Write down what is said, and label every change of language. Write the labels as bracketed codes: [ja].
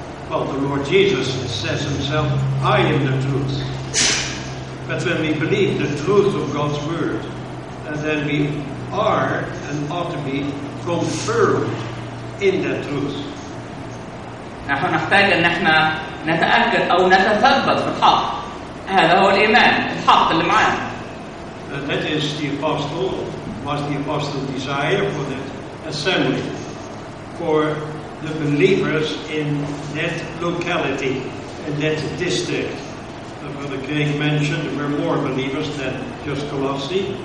[en] Well, the Lord Jesus says himself, I am the truth. But when we believe the truth of God's word, and then we are and ought to be confirmed in that truth. [ar] نحن نحتاج أن نحن نتأكد أو نتثبت في الحق. هذا هو الإيمان الحق اللي معنا. [en] That is the apostle, was the apostle's desire for that assembly, for the believers in that locality, in that district. Brother Craig mentioned there were more believers than just Colossae.